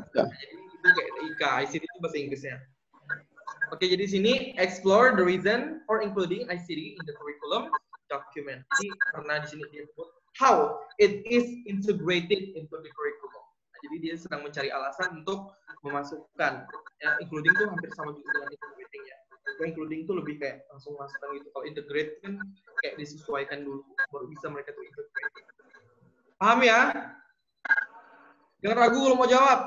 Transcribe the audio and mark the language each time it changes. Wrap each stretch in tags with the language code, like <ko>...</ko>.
<id>Jadi itu kayak IKA, ICT itu bahasa Inggrisnya. Oke, jadi sini</id> <en>explore the reason for including ICT in the curriculum document.</en> <id>Jadi karena di sini dia sebut</id> <en>how it is integrated into the curriculum.</en> <id>Nah, jadi dia sedang mencari alasan untuk memasukkan, ya, including itu hampir sama juga dengan integrating, ya. Including itu lebih kayak langsung masukkan gitu. Kalau integrate kan kayak disesuaikan dulu baru bisa mereka tuh integrate. Paham ya? Jangan ragu kalau mau jawab.</id>